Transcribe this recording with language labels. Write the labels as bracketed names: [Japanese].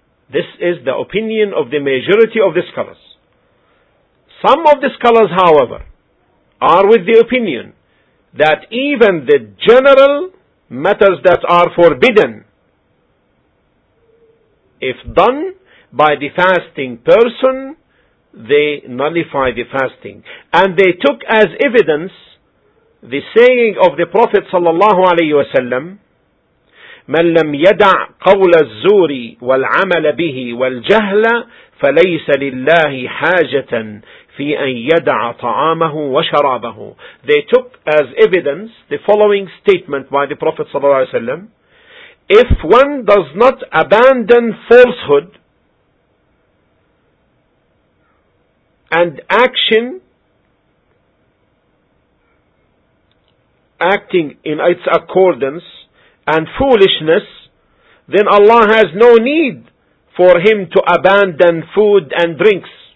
[English] This is the opinion of the majority of the scholars. Some of the scholars, however, are with the opinion that even the general matters that are forbidden, if done by the fasting person, they nullify the fasting. And they took as evidence the saying of the Prophet sallallahu alayhi wa sallam, [Arabic] مَنْ لَمْ يَدَعْ قَوْلَ الزُّورِ وَالْعَمَلَ بِهِ وَالْجَهْلَ فَلَيْسَ لِلَّهِ حَاجَةً فِي أَنْ يَدَعَ طَعَامَهُ وَشَرَابَهُ. [English] They took as evidence the following statement by the Prophet صلى الله عليه وسلم, if one does not abandon falsehood and action, acting in its accordance, and foolishness, then Allah has no need for him to abandon food and drinks.